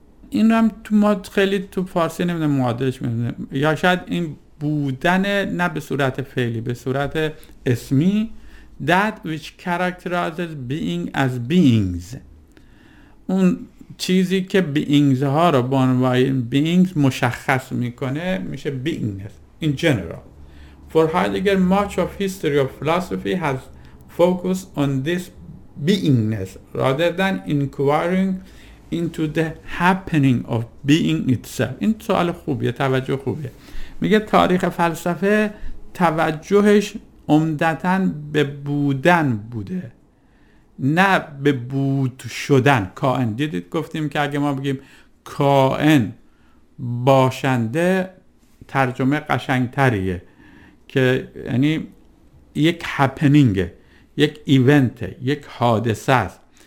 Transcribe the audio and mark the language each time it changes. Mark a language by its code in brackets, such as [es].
[fa] این رو هم تو ما خیلی تو فارسی نمیدونم معادلش میدونم، یا شاید این بودن نه به صورت فعلی به صورت اسمی. [en] That which characterizes being as beings. [fa] اون چیزی که beings ها رو به عنوان beings مشخص میکنه میشه [en] beingness in general. For Heidegger much of history of philosophy has focused on this beingness rather than inquiring into the happening of being itself. [fa] این سوال خوبیه، توجه خوبیه. میگه تاریخ فلسفه توجهش عمدتاً به بودن بوده نه به بود شدن. کائن دیدید گفتیم که اگه ما بگیم کائن باشنده ترجمه قشنگتریه، که یعنی یک هپنینگه، یک ایونته، یک حادثه است.